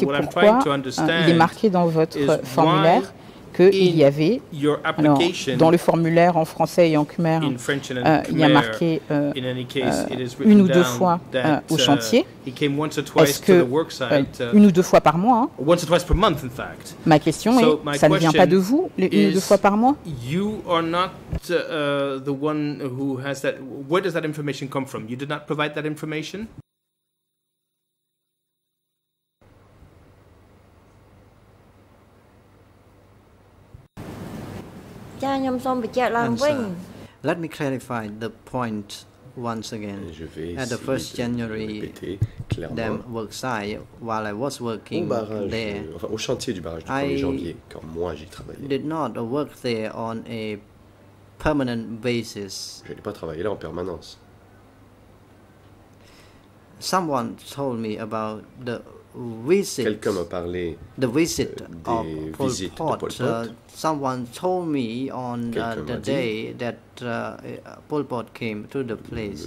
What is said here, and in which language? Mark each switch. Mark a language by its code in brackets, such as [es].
[fr] c'est pourquoi il est marqué dans votre formulaire qu'il y avait, alors, dans le formulaire en français et en khmer, il y a marqué une ou deux fois au chantier. Est-ce que une ou deux fois par mois [en] hein? Once or twice per month, in fact. [fr] Ma question [en] so [fr] est, ça ne vient pas de vous, les une ou deux fois par mois [en] you are not the one who has that. Where does that information come from? You did not provide that information. Answer. Let me clarify the point once again. At the first January dam work site, while I was working there, [fr] au chantier du barrage du 1er janvier, quand moi j'y travaillais, [en] did not work there on a permanent basis. [fr] Je n'ai pas travaillé là en permanence. [en] Someone told me about the visit. [fr] Quelqu'un m'a parlé [en] the visit of Pol Pot. [fr] Pol Pot. [en] Someone told me on the day that Pol Pot came to the place.